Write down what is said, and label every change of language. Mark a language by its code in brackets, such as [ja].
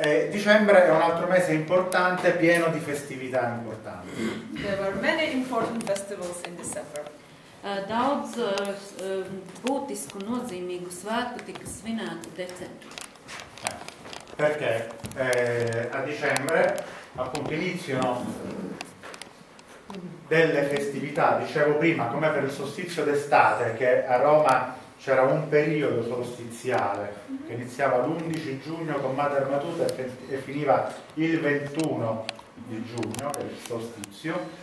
[it] Dicembre è un altro mese importante, pieno di festività importanti. [en] There were many important festivals in December. [lv] Daudz būtisku nozīmīgu svētku tika svinēti decembrī. [it] Perché a dicembre appunto iniziano delle festività, dicevo prima, come per il solstizio d'estate, che a Roma c'era un periodo solstiziale che iniziava l'11 giugno con Mater Matuta e finiva il 21 di giugno, per il solstizio,